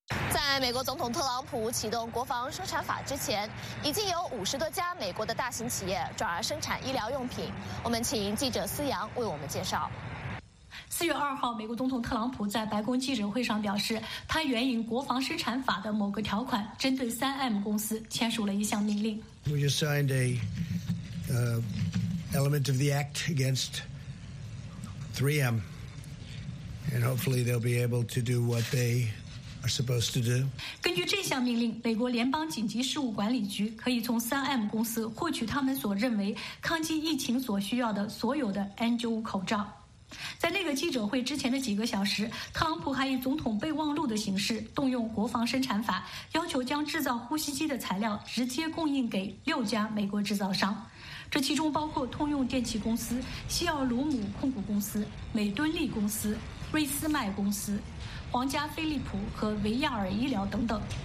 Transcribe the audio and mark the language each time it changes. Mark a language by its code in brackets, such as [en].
[zh] 在美国总统特朗普启动国防生产法之前，已经有50多家美国的大型企业转而生产医疗用品。我们请记者思阳为我们介绍。 4月2号，美国总统特朗普在白宫记者会上表示，他援引国防生产法的某个条款，针对 3M 公司签署了一项命令。 [en] We just signed a element of the act against 3M, and hopefully they'll be able to do what they are supposed to do. [zh] 根据这项命令，美国联邦紧急事务管理局可以从 3M 公司获取他们所认为抗击疫情所需要的所有的 N95 口罩。在那个记者会之前的几个小时，特朗普还以总统备忘录的形式动用国防生产法，要求将制造呼吸机的材料直接供应给六家美国制造商，这其中包括通用电气公司、西奥鲁姆控股公司、美敦力公司、瑞斯麦公司、皇家飞利浦和维亚尔医疗等等。